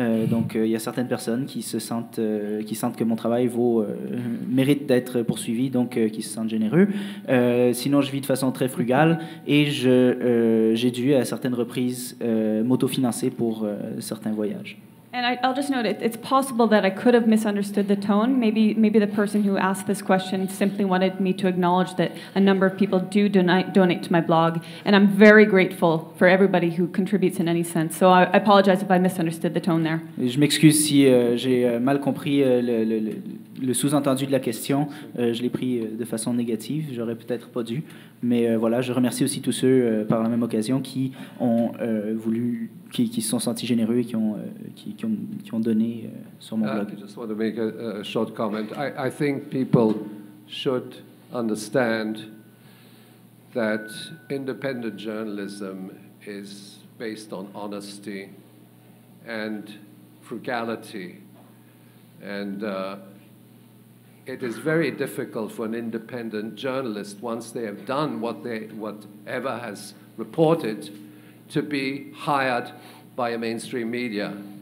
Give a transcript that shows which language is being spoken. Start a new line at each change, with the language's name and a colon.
French: Donc il y a certaines personnes qui sentent que mon travail mérite d'être poursuivi, donc qui se sentent généreux. Sinon, je vis de façon très frugale et j'ai dû à certaines reprises m'autofinancer pour certains voyages.
English: And I'll just note, it's possible that I could have misunderstood the tone. Maybe the person who asked this question simply wanted me to acknowledge that a number of people do donate to my blog, and I'm very grateful for everybody who contributes in any sense. So I apologize if I misunderstood the tone there.
French: Je m'excuse si j'ai mal compris le sous-entendu de la question. Je l'ai pris de façon négative. J'aurais peut-être pas dû. Mais voilà, je remercie aussi tous ceux par la même occasion qui ont voulu, qui se sont sentis généreux et qui ont donné sur mon blog.
English: I just want to make a short comment. I think people should understand that independent journalism is based on honesty and frugality. And it is very difficult for an independent journalist, once they have done whatever has reported, to be hired by a mainstream media.